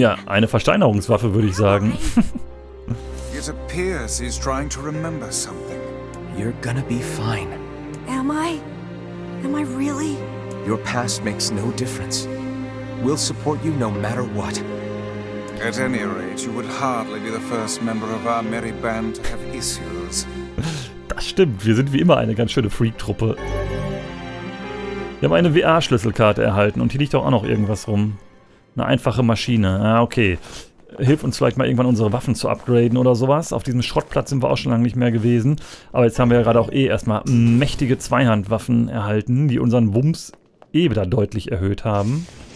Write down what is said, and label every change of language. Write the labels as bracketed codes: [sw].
[de] Ja, eine Versteinerungswaffe, würde ich sagen. [en] It appears he's trying to remember something. You're gonna be fine. Am I? Am I really? Your past makes no difference. We'll support you no matter what. At any rate, you would hardly be the first member of our merry band to have issues. [de] Das stimmt, wir sind wie immer eine ganz schöne Freak-Truppe. Wir haben eine VR-Schlüsselkarte erhalten und hier liegt auch noch irgendwas rum. Eine einfache Maschine. Ah, okay. Hilf uns vielleicht mal irgendwann unsere Waffen zu upgraden oder sowas. Auf diesem Schrottplatz sind wir auch schon lange nicht mehr gewesen. Aber jetzt haben wir ja gerade auch eh erstmal mächtige Zweihandwaffen erhalten, die unseren Wumms eh wieder deutlich erhöht haben.